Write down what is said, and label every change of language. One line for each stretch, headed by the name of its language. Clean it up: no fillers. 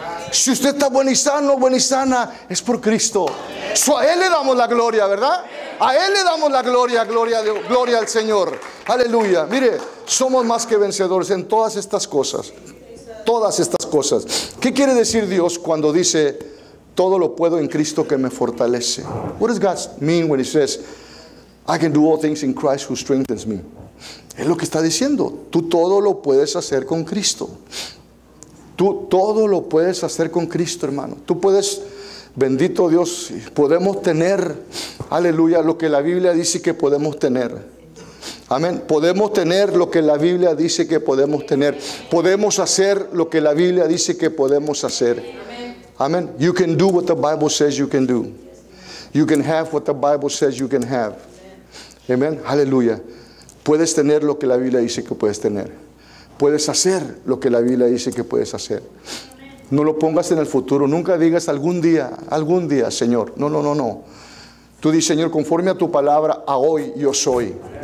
Spanish: Si usted está bueno y sano, buena y sana, es por Cristo. So, a Él le damos la gloria, ¿verdad? A Él le damos la gloria, gloria, gloria al Señor. Aleluya. Mire, somos más que vencedores en todas estas cosas. Todas estas cosas. ¿Qué quiere decir Dios cuando dice todo lo puedo en Cristo que me fortalece?
English: What does God mean when he says I can do all things in Christ who strengthens me?
Spanish: Es lo que está diciendo. Tú todo lo puedes hacer con Cristo. Tú todo lo puedes hacer con Cristo, hermano. Tú puedes, bendito Dios, podemos tener, aleluya, lo que la Biblia dice que podemos tener. Amén. Podemos tener lo que la Biblia dice que podemos tener. Podemos hacer lo que la Biblia dice que podemos hacer. Amén.
English: You can do what the Bible says you can do. You can have what the Bible says you can have.
Spanish: Amén. Aleluya. Puedes tener lo que la Biblia dice que puedes tener. Puedes hacer lo que la Biblia dice que puedes hacer. No lo pongas en el futuro. Nunca digas algún día, Señor. No. Tú dices, Señor, conforme a tu palabra, a hoy yo soy.